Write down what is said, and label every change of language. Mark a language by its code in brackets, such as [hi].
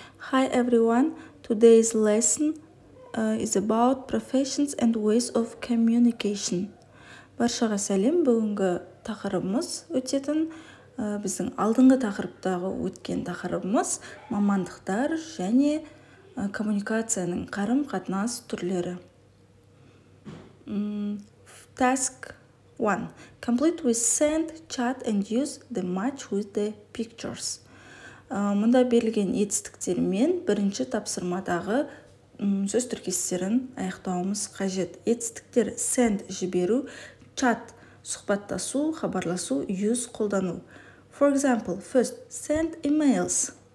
[en] Hi everyone, today's lesson is about professions and ways of communication. [kk] Баршаға сәлем, бүгінгі тақырыбымыз өтетін, біздің алдыңғы тақырыптағы өткен тақырыбымыз мамандықтар және коммуникацияның қарым-қатынас түрлері. [en] Task 1. Complete with send, chat and use the match with the pictures. [kk] Мұнда берілген етістіктермен бірінші тапсырмадағы сөз тіркестерін аяқтауымыз қажет. Етістіктер send жіберу, chat сұхбаттасу, хабарласу, use қолдану. [en] For example, first, send emails.